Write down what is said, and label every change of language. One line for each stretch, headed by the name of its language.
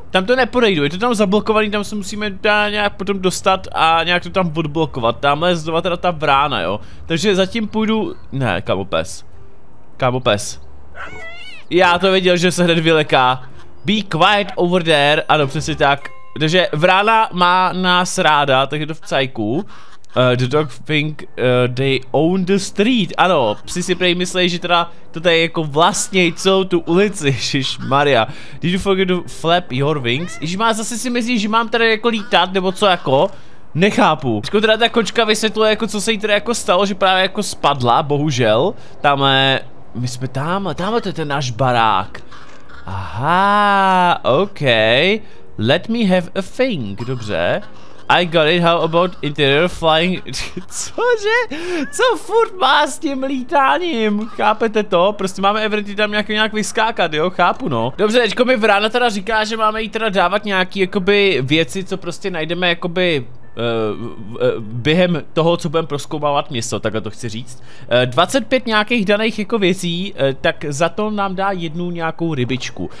Czech: Tam to nepodejdu, je to tam zablokovaný, tam se musíme nějak potom dostat a nějak to tam odblokovat. Tamhle je znovu teda ta vrána, jo. Takže zatím půjdu... Ne, kamo pes. Já to věděl, že se hned vyleká.
English: Be quiet over there.
Czech: Ano, přesně tak. Takže vrána má nás ráda, tak je to v cajku.
English: The dog think they own the street.
Czech: Ano, psi si prej myslej, že teda to tady jako vlastně celou tu ulici, šiš Maria.
English: Did you forget to flap your wings?
Czech: Ježiš, má zase si myslí, že mám teda jako lítat, nebo co jako? Nechápu. Teďko teda ta kočka vysvětluje jako, co se jí teda jako stalo, že právě jako spadla, bohužel. Tamhle, my jsme tamhle to je ten náš barák.
English: Aha, okay. Let me have a thing,
Czech: dobře.
English: I got it, how about interior flying?
Czech: Cože? Co furt má s tím lítáním? Chápete to? Prostě máme evidentně tam nějak vyskákat, jo? Chápu, no. Dobře, teďko mi vrána teda říká, že máme jí teda dávat nějaký, jakoby, věci, co prostě najdeme, jakoby, během toho, co budeme prozkoumávat město, takhle to chci říct, 25 nějakých daných jako věcí, tak za to nám dá jednu nějakou rybičku.